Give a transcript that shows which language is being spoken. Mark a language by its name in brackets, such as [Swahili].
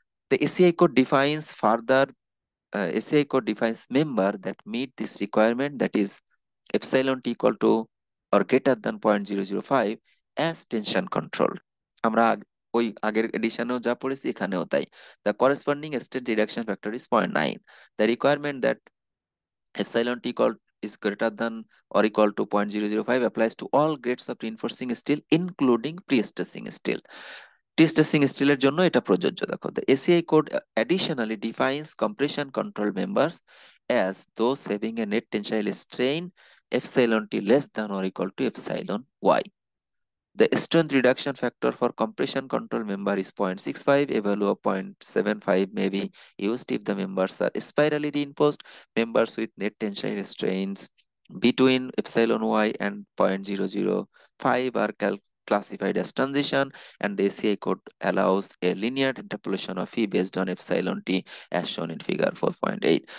[English] The ACI code defines further, ACI code defines member that meet this requirement, that is epsilon t equal to or greater than 0.005 as tension control. [Bangla] আমরা ওই আগের এডিশনেও যা পড়েছি এখানেও তাই। [English] The corresponding state reduction factor is 0.9. The requirement that epsilon t equal is greater than or equal to 0.005 applies to all grades of reinforcing steel including pre-stressing steel. [Bangla] Prestressing স্টিলের জন্য এটা প্রযোজ্য। [English] দেখো, the ACI code additionally defines compression control members as though saving A net tensile strain epsilon T less than or equal to epsilon Y. The strength reduction factor for compression control member is 0.65, a value of 0.75 may be used if the members R স্পাইরালি reinforced members with net tensile strains between epsilon y and 0.005 are classified as transition, and the ACI code allows a linear interpolation of E based on epsilon t as shown in figure 4.8.